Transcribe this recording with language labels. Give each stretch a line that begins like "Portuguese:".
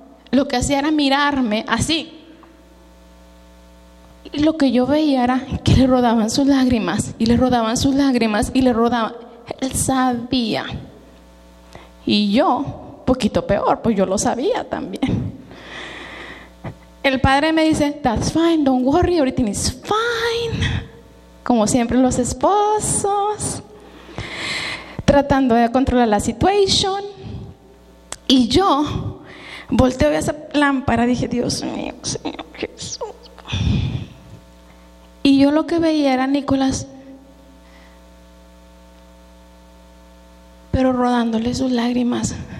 Spanish: Lo que hacía era mirarme así. Y lo que yo veía era que le rodaban sus lágrimas. Y le rodaban sus lágrimas. Y le rodaban. Él sabía. Y yo, poquito peor, pues yo lo sabía también. El padre me dice,
English: that's fine, don't worry, everything is fine.
Spanish: Como siempre los esposos, tratando de controlar la situación. Y yo volteo a esa lámpara, dije, Dios mío, Señor Jesús. Y yo lo que veía era Nicolás, pero rodándole sus lágrimas.